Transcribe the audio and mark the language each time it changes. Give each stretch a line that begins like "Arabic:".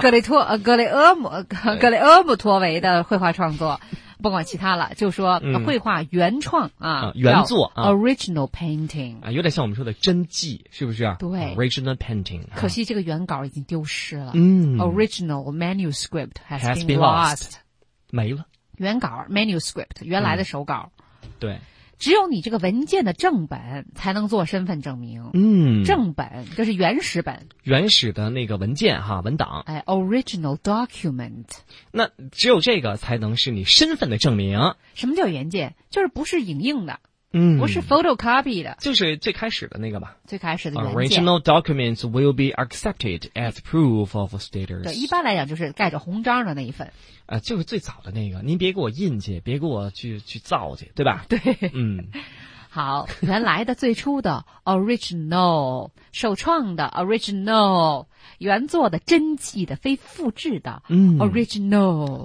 Chinese: 格雷厄姆托维的绘画创作。不管其他了，就说绘画原创、原作、
English: original painting
Chinese: 啊，有点像我们说的真迹，是不是？对
English: ，original painting。
Chinese: 可惜这个原稿已经丢失了。
English: original manuscript has been lost，
Chinese: 没了。原稿 manuscript 原来的手稿、对，只有你这个文件的正本才能做身份证明。正本就是原始本，原始的那个文件哈，文档。哎 ，
English: original document。
Chinese: 那只有这个才能是你身份的证明。什么叫原件？就是不是影印的，不是 photocopy 的，就是最开始的那个吧。最开始的原件。
English: Original documents will be accepted as proof of status。
Chinese: 对，一般来讲就是盖着红章的那一份。就是最早的那个，您别给我印去，别给我去造去，对吧？对，好，原来的最初的 original， 首创的 original， 原作的真迹的非复制的 original。